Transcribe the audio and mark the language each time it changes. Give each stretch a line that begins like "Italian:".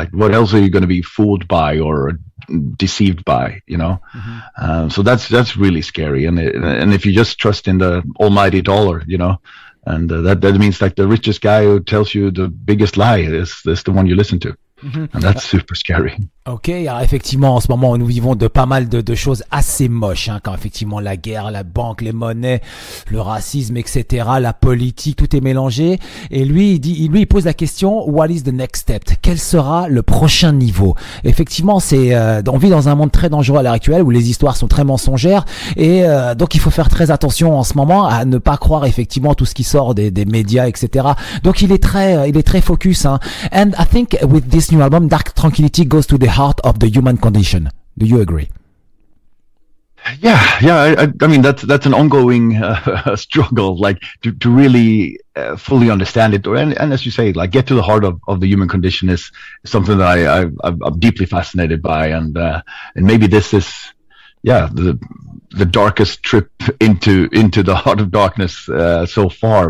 English: Like, what else are you going to be fooled by or deceived by, you know? Mm-hmm. So that's really scary. And if you just trust in the almighty dollar, you know, and that means like the richest guy who tells you the biggest lie is the one you listen to. Mm-hmm. And that's super scary.
French: Ok, alors effectivement, en ce moment, nous vivons de pas mal de choses assez moches, hein, quand effectivement la guerre, la banque, les monnaies, le racisme, etc., la politique, tout est mélangé. Et lui, il pose la question,
English: what is the next step?
French: Quel sera le prochain niveau? Effectivement, on vit dans un monde très dangereux à l'heure actuelle, où les histoires sont très mensongères, et donc il faut faire très attention en ce moment à ne pas croire effectivement tout ce qui sort des médias, etc. Donc il est très focus, hein.
English: And I think with this new album, Dark Tranquility goes to the heart of the human condition. Do you agree? I mean that's an ongoing struggle, like to really fully understand it, and as you say, like get to the heart of the human condition is something that I'm deeply fascinated by, and maybe this is the darkest trip into the heart of darkness so far.